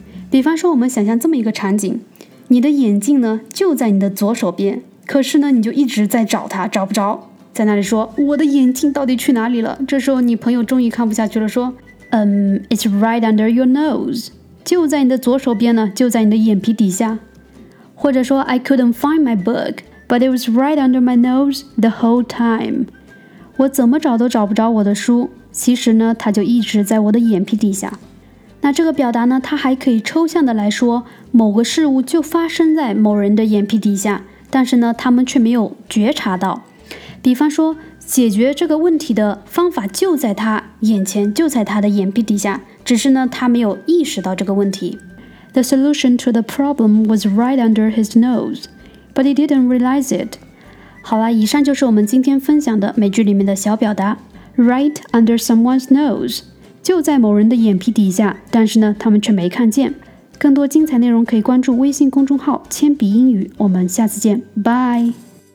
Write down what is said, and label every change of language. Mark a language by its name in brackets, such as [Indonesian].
[Chinese] 比方说，我们想象这么一个场景，你的眼镜呢，就在你的左手边，可是呢，你就一直在找它，找不着，在那里说，我的眼镜到底去哪里了？这时候，你朋友终于看不下去了，说， it's right under your nose，就在你的左手边呢，就在你的眼皮底下。 [English] 或者说 I couldn't find my book, but it was right under my nose the whole time。 [Chinese] 我怎么找都找不着我的书，其实呢，它就一直在我的眼皮底下。那这个表达呢，它还可以抽象的来说，某个事物就发生在某人的眼皮底下，但是呢，他们却没有觉察到。比方说，解决这个问题的方法就在他眼前，就在他的眼皮底下，只是呢，他没有意识到这个问题。 [English] The solution to the problem was right under his nose, but he didn't realize it. [Chinese] 好了，以上就是我们今天分享的美剧里面的小表达 Right under someone's nose，就在某人的眼皮底下，但是呢，他们却没看见。更多精彩内容可以关注微信公众号铅笔英语，我们下次见，Bye。